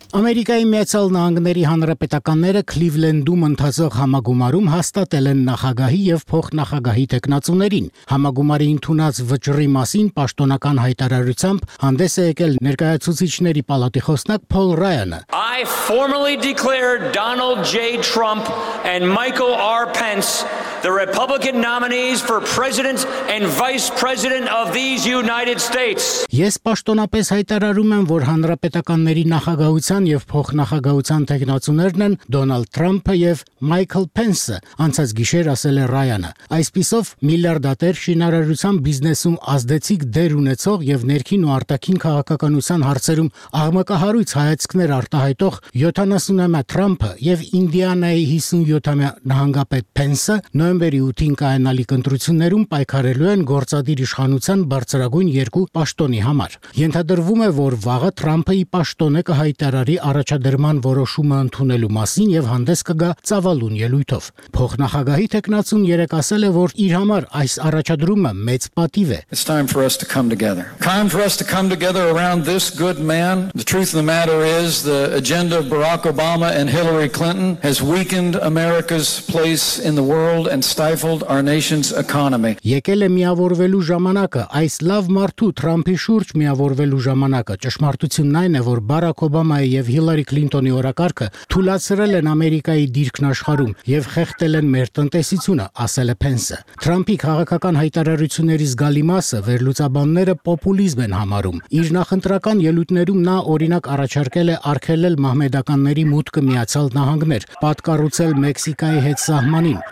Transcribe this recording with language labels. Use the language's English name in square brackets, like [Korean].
[Armenian] Ամերիկայի Միացյալ Նահանգների հանրապետականները Քլիվլենդում ընթացող համագումարում հաստատել են նախագահի և փոխնախագահի թեկնածուներին։ Համագումարի ընդունած վճռի մասին պաշտոնական հայտարարությամբ հանդես է եկել ներկայացուցիչների պալատի խոսնակ Փոլ Ռայանը։ [English] I formally declare Donald J. Trump and Michael R. Pence the Republican nominees for President and Vice President of these United States. [Armenian] Ես պաշտոնապես հայտարարում եմ, որ հանրապետականների նախագահության և փոխնախագահության թեկնածուներն են Դոնալդ Թրամփը և Մայքլ Պենսը, անցած գիշեր ասել է Ռայանը։ Այսպիսով միլիարդատեր շինարարության բիզնեսում ազդեցիկ դեր ունեցող և ներքին ու արտաքին քաղաքականության հարցերում աղմկահարույց հայացքներ արտահայտող 70-ամյա Թրամփը և Ինդիանայի 57-ամյա նահանգապետ Պենսը նոյեմբերի 8-ին կայանալիք ընտրություններում պայքարելու են գործադիր իշխանության բարձրագույն երկու պաշտոնի համար։ Ենթադրվում է, որ վաղը Թրամփը ի պաշտոնը կհայտարարի առաջադրման որոշումը ընդունելու մասին և հանդես կգա ծավալուն ելույթով։ Փոխնախագահի թեկնածուն երեկ ասել է, որ իր համար այս առաջադրումը մեծ պատիվ է։ [English] It's time for us to come together. Time for us to come together around this good man. The truth of the matter is the agenda of Barack Obama and Hillary Clinton has weakened America's place in the world and stifled our nation's economy. [Armenian] Եկել է միավորվելու ժամանակը, այս լավ մարդու Թրամփի շուրջ միավորվելու ժամանակը։ Ճշմարտությունն այն է, որ Բարակ Օբամայի եւ Հիլարի Քլինտոնի օրակարգը թույլացրել են Ամերիկայի դիրքն աշխարում եւ խեղդել են մեր տնտեսությունը, ասել է Պենսը։ Թրամփի քաղաքական հայտարարությունների զգալի մասը վերլուծաբանները պոպուլիզմ են համարում։ Իր նախընտրական ելույթներում նա օրինակ առաջարկել է արգելել մահմեդականների մուտքը Միացյալ Նահանգներ, պատկառուցել Մեքսիկայի հետ սահմանին։